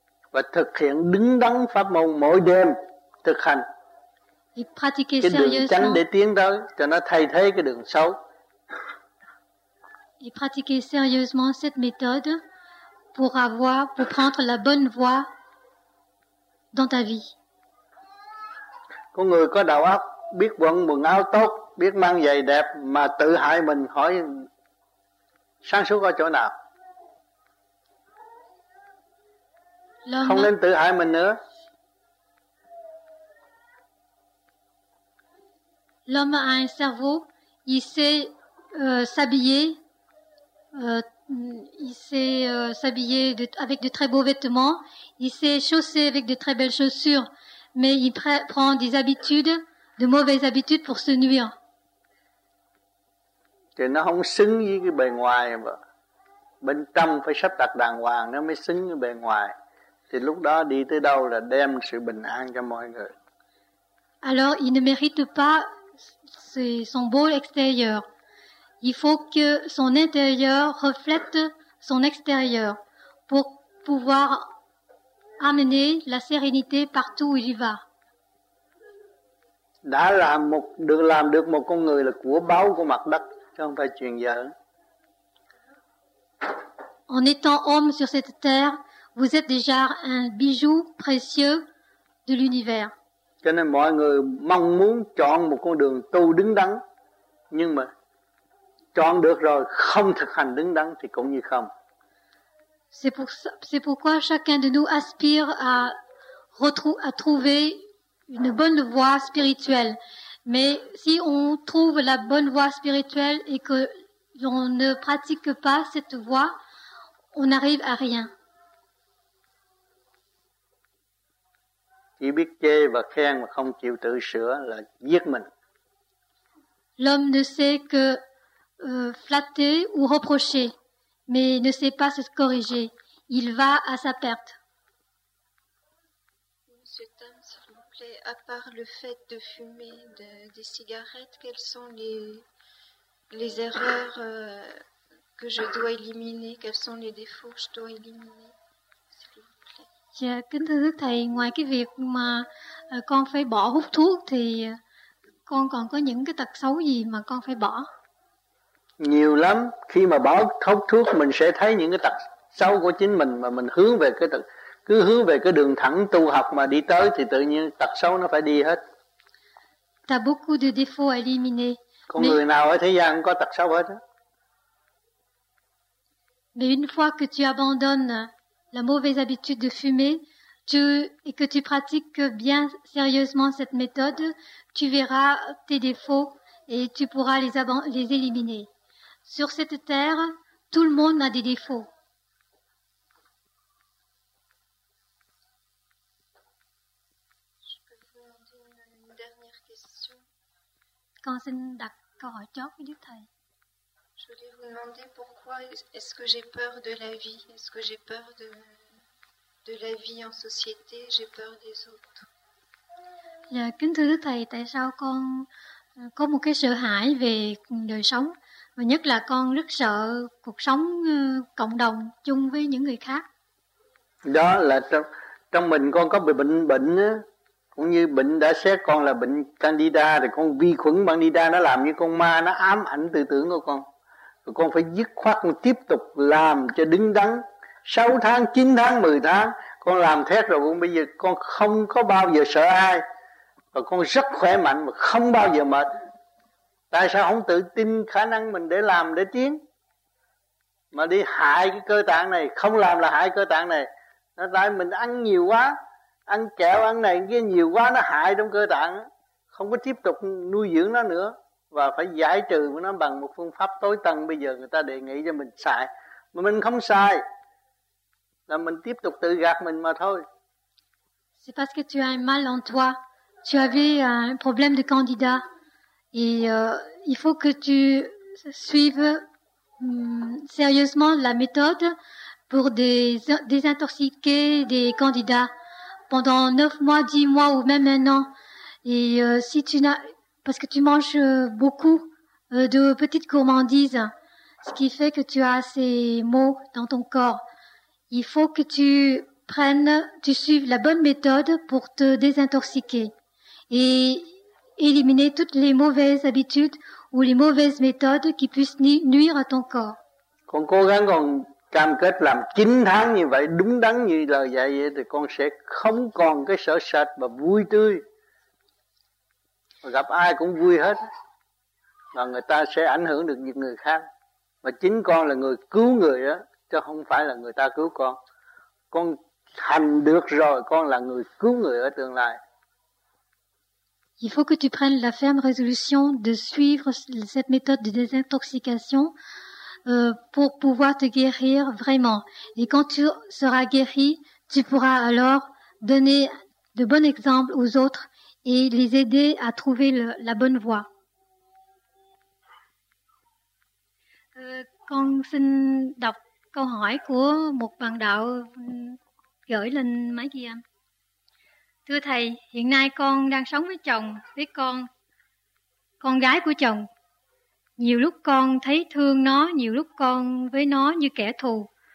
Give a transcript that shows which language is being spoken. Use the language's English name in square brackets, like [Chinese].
[Vietnamese] Và thực hiện đứng đắn pháp môn mỗi đêm thực hành. [French] Et pratiquer sérieusement. [Vietnamese] Cái đường tránh để tiến tới cho nó thay thế cái đường xấu. [French] Et pratiquer sérieusement cette méthode pour avoir, pour prendre la bonne voie dans ta vie. [Vietnamese] Có người có đầu óc, biết quần quần áo tốt, biết mang giày đẹp mà tự hại mình, hỏi sáng suốt ở chỗ nào? [French] L'homme... [Vietnamese] Không nên tự hại mình nữa. [French] L'homme a un cerveau, il sait s'habiller. Il sait s'habiller avec de très beaux vêtements, il sait chausser avec de très belles chaussures, mais il prend des habitudes, de mauvaises habitudes pour se nuire. [Vietnamese] Thì nó không xứng với cái bề ngoài, bên trong phải sắp đặt đàng hoàng nó mới xứng với bề ngoài. Thì lúc đó đi tới đâu là đem sự bình an cho mọi người. [French] Alors il ne mérite pas son beau extérieur. Il faut que son intérieur reflète son extérieur pour pouvoir amener la sérénité partout où il y va. [Vietnamese] Đã làm được một con người là của báu của mặt đất, chứ không phải chuyện dở. [French] En étant homme sur cette terre, vous êtes déjà un bijou précieux de l'univers. [Vietnamese] Cho nên mọi người mong muốn chọn một con đường tu đứng đắn, nhưng mà chọn được rồi không thực hành đứng đắn thì cũng như không. [French] C'est pourquoi chacun de nous aspire à trouver une bonne voie spirituelle. Mais si on trouve la bonne voie spirituelle et que l'on ne pratique pas cette voie, on n'arrive à rien. [Vietnamese] Chỉ biết chê và khen mà không chịu tự sửa là giết mình. [French] L'homme ne sait que flatter ou reprocher, mais ne sait pas se corriger. Il va à sa perte. Monsieur Tom, s'il vous plaît, à part le fait de fumer des cigarettes, quelles sont les erreurs que je dois éliminer? Quels sont les défauts que je dois éliminer? [Vietnamese] Dạ, kính thưa thầy, ngoài cái việc mà con phải bỏ hút thuốc thì con còn có những cái tật xấu gì mà con phải bỏ? Nhiều lắm, khi mà bỏ hút thuốc mình sẽ thấy những cái tật xấu của chính mình mà mình hướng về cái tật, cứ hướng về cái đường thẳng tu học mà đi tới thì tự nhiên tật xấu nó phải đi hết. [French] T'as beaucoup de défauts à éliminer. [Vietnamese] Con người nào ở thế gian có tật xấu hết á. [French] Mais une fois que tu abandonnes la mauvaise habitude de fumer, et que tu pratiques bien sérieusement cette méthode, tu verras tes défauts et tu pourras les éliminer. Sur cette terre, tout le monde a des défauts. Je peux vous demander une dernière question. Quand c'est d'accord, tu as détail. Je voulais vous demander pourquoi est-ce que j'ai peur de la vie? Est-ce que j'ai peur de la vie en société? J'ai peur des autres. [Vietnamese] Kính thưa Đức Thầy, tại sao con có một cái sợ hãi về đời sống và nhất là con rất sợ cuộc sống cộng đồng chung với những người khác? Đó là trong mình con có bệnh á, cũng như bệnh đã xét con là bệnh Candida, thì con vi khuẩn Candida nó làm như con ma, nó ám ảnh tư tưởng của con. Rồi con phải dứt khoát con tiếp tục làm cho đứng đắn. 6 tháng, 9 tháng, 10 tháng con làm thét rồi, bây giờ con không có bao giờ sợ ai. Và con rất khỏe mạnh mà không bao giờ mệt. Tại sao không tự tin khả năng mình để làm, để tiến? Mà đi hại cái cơ tạng này, không làm là hại cơ tạng này. Nó tại mình ăn nhiều quá, ăn kẹo, ăn này, cái nhiều quá nó hại trong cơ tạng. Không có tiếp tục nuôi dưỡng nó nữa. Và phải giải trừ nó bằng một phương pháp tối tân bây giờ người ta đề nghị cho mình xài. Mà mình không xài, là mình tiếp tục tự gạt mình mà thôi. [French] C'est parce que tu as un mal en toi. Tu avais un problème de candidat. Et il faut que tu suives sérieusement la méthode pour désintoxiquer des candidats pendant 9 mois, 10 mois ou même un an. Et si tu n'as, parce que tu manges beaucoup de petites gourmandises, ce qui fait que tu as ces maux dans ton corps. Il faut que tu prennes, tu suives la bonne méthode pour te désintoxiquer et éliminer toutes les mauvaises habitudes ou les mauvaises méthodes qui puissent nuire à ton corps. [Vietnamese] Con cố gắng con cam kết làm 9 tháng như vậy, đúng đắn như lời dạy vậy, thì con sẽ không còn cái sợ sệt và vui tươi. Gặp ai cũng vui hết. Và người ta sẽ ảnh hưởng được những người khác. Mà chính con là người cứu người đó, chứ không phải là người ta cứu con. Con hành được rồi, con là người cứu người ở tương lai. [French] Il faut que tu prennes la ferme résolution de suivre cette méthode de désintoxication pour pouvoir te guérir vraiment. Et quand tu seras guéri, tu pourras alors donner de bons exemples aux autres et les aider à trouver la bonne voie. [Vietnamese] Con xin đọc câu hỏi của một bạn đạo gửi lên máy ghi âm. Thưa Thầy, hiện nay con đang sống với chồng, với con gái của chồng. Nhiều lúc con thấy thương nó, nhiều lúc con với nó như kẻ thù.